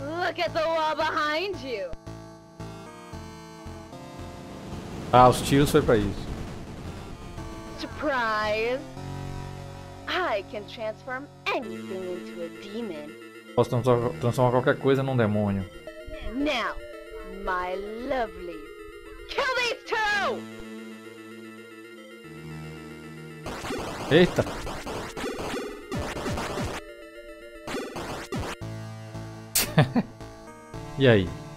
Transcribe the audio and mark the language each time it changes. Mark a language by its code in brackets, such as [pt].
[en] Look at the wall behind you. [pt] Ah, os tiros foi pra isso. [en] Surprise! I can transform anything into a demon. [pt] Posso transformar qualquer coisa num demônio. [en] Now, my lovelies, kill these two! [pt] Eita! E aí?